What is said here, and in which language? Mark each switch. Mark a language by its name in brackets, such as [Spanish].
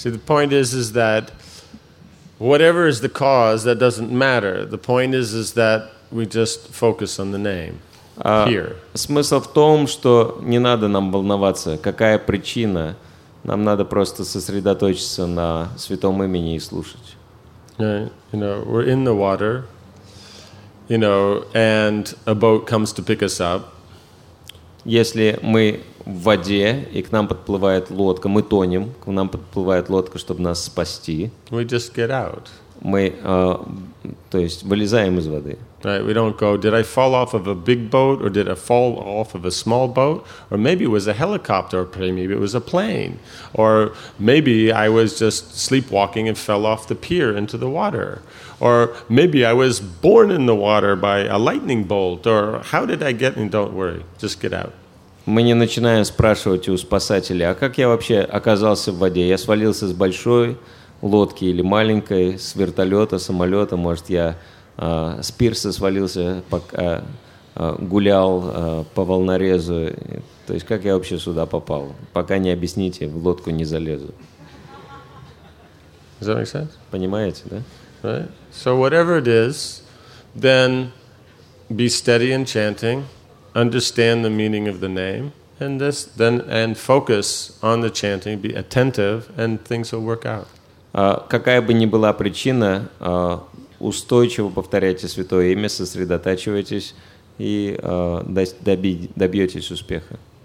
[English] See, the point is that whatever is the cause, that doesn't matter. The point is that we just focus on the name here. [Russian] Смысл в том, что не надо нам волноваться, какая причина. Нам надо просто сосредоточиться на святом имени и слушать. [English] Right. You know, we're in the water, you know, and a boat comes to pick us up. [Russian] Если мы в воде, и к нам подплывает лодка, мы тонем, к нам подплывает лодка, чтобы нас спасти. [English] We just get out. [Russian] Мы, то есть, вылезаем из воды. [English] Right, we don't go, did I fall off of a big boat, or did I fall off of a small boat, or maybe it was a helicopter, or maybe it was a plane, or maybe I was just sleepwalking and fell off the pier into the water, or maybe I was born in the water by a lightning bolt, or how did I get in, don't worry, just get out. [Russian] Мы не начинаем спрашивать у спасателей, а как я вообще оказался в воде, я свалился с большой лодки или маленькой, с вертолета, самолета, может я... С пирса свалился, пока гулял по волнорезу. То есть, как я вообще сюда попал? Пока не объясните, в лодку не залезу. [English] Does that make sense? [Russian] Понимаете, да? [English] Right. So whatever it is, then be steady in chanting, understand the meaning of the name, and this, then and focus on the chanting, be attentive, and things will work out. [Russian] Какая бы ни была причина. Устойчиво повторяйте святое имя, сосредотачивайтесь и добьетесь успеха.